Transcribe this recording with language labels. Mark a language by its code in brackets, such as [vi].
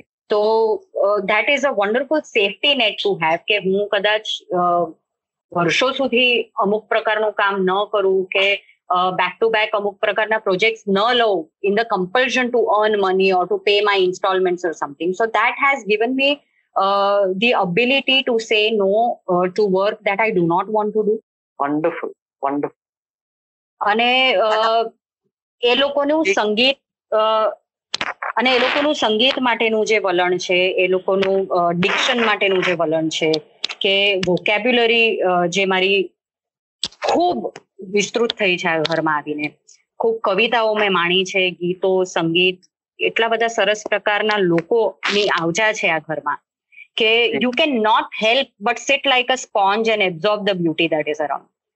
[gu] તો [en] that is a wonderful safety net to have [gu] કે હું કદાચ વર્ષો સુધી અમુક પ્રકારનું કામ ન કરું કે બેક ટુ બેક અમુક પ્રકારના પ્રોજેક્ટ ન લઉં [en] In the compulsion to earn money or to pay my instalment or something. So that has given me the ability to say no to work that I do not want to do. Wonderful, wonderful. [gu] અને એ લોકોનું સંગીત અને એ લોકોનું સંગીત માટેનું જે વલણ છે, એ લોકોનું ડિક્શન માટેનું જે વલણ છે કે વોકેબ્યુલરી જે મારી ખૂબ વિસ્તૃત થઈ છે ઘરમાં આવીને, ખૂબ કવિતાઓ મેં માણી છે, ગીતો સંગીત એટલા બધા સરસ પ્રકારના લોકોની આવજા છે આ ઘરમાં કે [en] You can not help but sit like a sponge and absorb the beauty that is around.